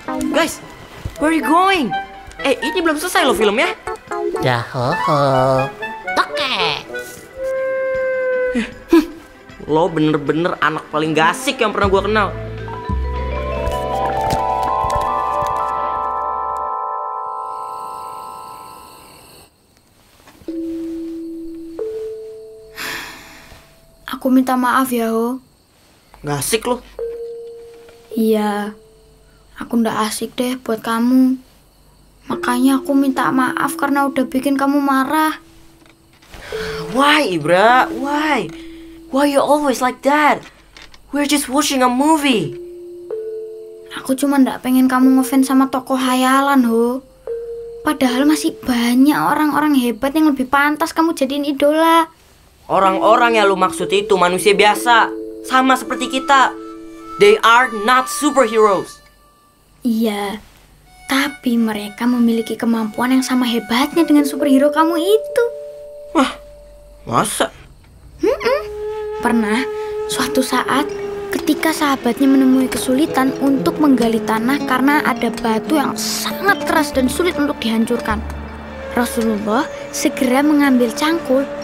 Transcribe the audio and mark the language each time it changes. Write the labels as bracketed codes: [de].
[en] Guys, where are you going? [id] Ini belum selesai loh filmnya. Dah, ho. Oke. Lo bener-bener anak paling gasik yang pernah gue kenal. Aku minta maaf ya, Ho. Gak asik lo. Iya, aku gak asik deh buat kamu. Makanya aku minta maaf karena udah bikin kamu marah. [en] Why, Ibra? Why? Why you always like that? We're just watching a movie. [id] Aku cuma gak pengen kamu ngefans sama tokoh khayalan, Ho. Padahal masih banyak orang-orang hebat yang lebih pantas kamu jadiin idola. Orang-orang yang lu maksud itu manusia biasa, sama seperti kita. [en] They are not superheroes. [id] Iya, tapi mereka memiliki kemampuan yang sama hebatnya dengan superhero kamu itu. Wah, masa? Pernah, suatu saat ketika sahabatnya menemui kesulitan untuk menggali tanah karena ada batu yang sangat keras dan sulit untuk dihancurkan, Rasulullah segera mengambil cangkul.